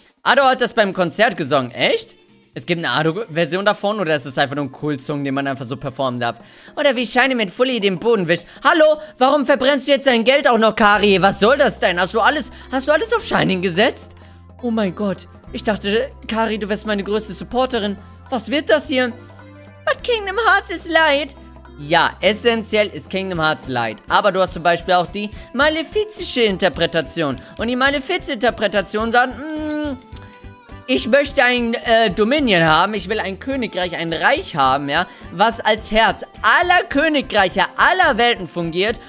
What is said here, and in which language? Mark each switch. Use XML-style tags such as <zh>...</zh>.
<de>Ado hat das beim Konzert gesungen. Echt? Es gibt eine Ado-Version davon oder ist es einfach nur ein Cool-Song, den man einfach so performen darf? Oder wie Shiny mit Fully den Boden wischt. Hallo, warum verbrennst du jetzt dein Geld auch noch, Kari? Was soll das denn? Hast du alles auf Shining gesetzt? Oh mein Gott. Ich dachte, Kari, du wärst meine größte Supporterin. Was wird das hier?</de> <en>But Kingdom Hearts is light.</en> <de>Ja, essentiell ist Kingdom Hearts Light. Aber du hast zum Beispiel auch die malefizische Interpretation. Und die malefizische Interpretation sagt, ich möchte ein Dominion haben. Ich will ein Königreich, ein Reich haben, ja. Was als Herz aller Königreiche, aller Welten fungiert.</de>